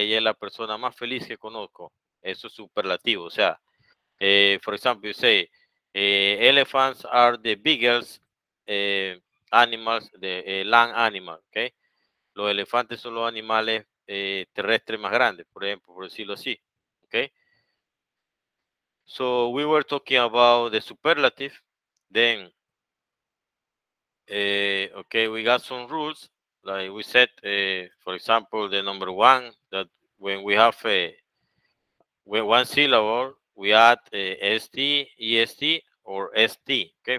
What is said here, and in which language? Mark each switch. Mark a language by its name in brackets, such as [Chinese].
[Spanish] Ella es la persona más feliz que conozco. Eso es superlativo. O sea, [English] for example, you say, elephants are the biggest animals, the land animal, okay? [Spanish] Los elefantes son los animales terrestres más grandes, por ejemplo, por decirlo así, okay? [English] So we were talking about the superlative, then. Okay, we got some rules, like we said, for example, the number one, that when we have one syllable, we add S-T, E-S-T, or S-T, okay?